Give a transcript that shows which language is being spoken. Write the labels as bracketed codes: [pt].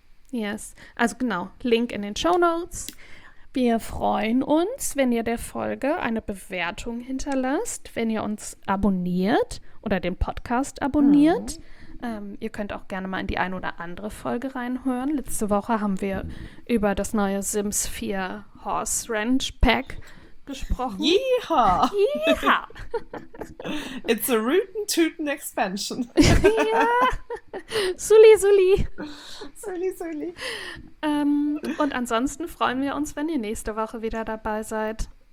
[de] Yes, also genau, Link in den Shownotes. Wir freuen uns, wenn ihr der Folge eine Bewertung hinterlasst, wenn ihr uns abonniert oder den Podcast abonniert. Ihr könnt auch gerne mal in die ein oder andere Folge reinhören. Letzte Woche haben wir über das neue Sims 4 Horse Ranch Pack gesprochen. Yeehaw! [en] It's a rootin' tootin' expansion. [de] Ja! Suli, suli. Und ansonsten freuen wir uns, wenn ihr nächste Woche wieder dabei seid.